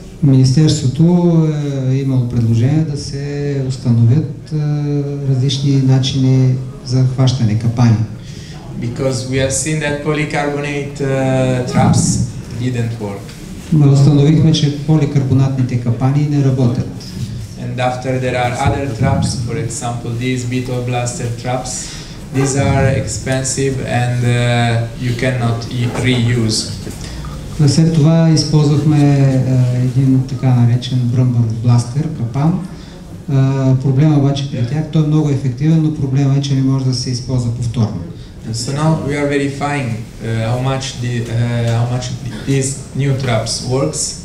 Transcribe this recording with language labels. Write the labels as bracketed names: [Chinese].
[Bulgarian] Министерството е имало предложение да се установят различни начини за хващане, капани. [English] Because we have seen that polycarbonate traps didn't work. [Bulgarian] Установихме, че поликарбонатните капани не работят. [English] And after there are other traps, for example these beetle blaster traps, these are expensive and you cannot reuse. [Bulgarian] След това използвахме един така наречен бръмбър бластер, капан. Проблема обаче при тях, той е много ефективен, но проблема е, че не може да се използва повторно. [English] So now we are verifying how much these new traps works.